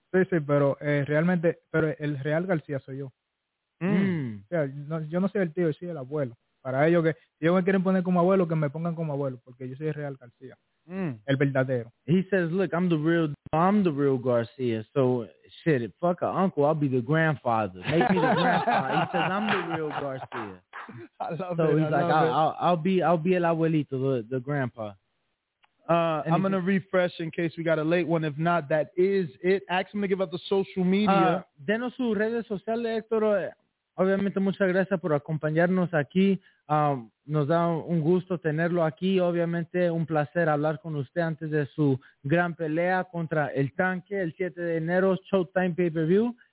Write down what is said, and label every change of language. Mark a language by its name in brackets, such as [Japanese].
[Spanish] Sí, pero realmente el real García soy yo. O sea, yo no soy el tío, soy el abuelo. Para ellos, que si ellos me quieren poner como abuelo, que me pongan como abuelo, porque yo soy el real García. El verdadero. [English] He says, look, I'm the real Garcia. So shit, fuck a uncle, I'll be the grandfather. Make me the grandfather. He says, I'm the real Garcia. I'll be [Spanish] el abuelito, [English] the grandpa. I'm going to refresh in case we got a late one. If not, that is it. Ask him to give out the social media. [Spanish] Denos sus redes sociales, Héctor. Obviamente, muchas gracias por acompañarnos aquí. Nos da un gusto tenerlo aquí. Obviamente, un placer hablar con usted antes de su gran pelea contra el tanque el 7 de enero, Showtime Pay-Per-View.